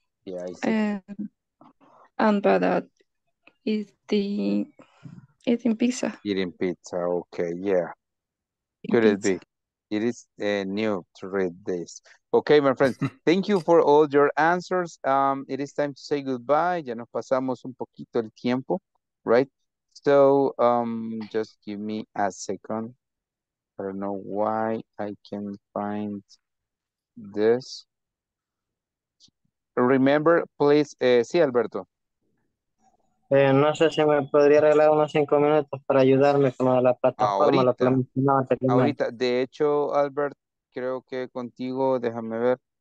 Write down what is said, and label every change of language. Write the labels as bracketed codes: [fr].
[en] Yeah, I see. And is the eating pizza. Eating pizza, okay, yeah. Could it be? It is new to read this. Okay, my friends, thank you for all your answers. It is time to say goodbye. [es] Ya nos pasamos un poquito el tiempo, right? [en] So, just give me a second. I don't know why I can find this. Remember, please, sí, Alberto. [es] No sé si me podría arreglar unos 5 minutos para ayudarme con lo de la plataforma. Ahorita, de hecho, Albert, creo que contigo, déjame ver.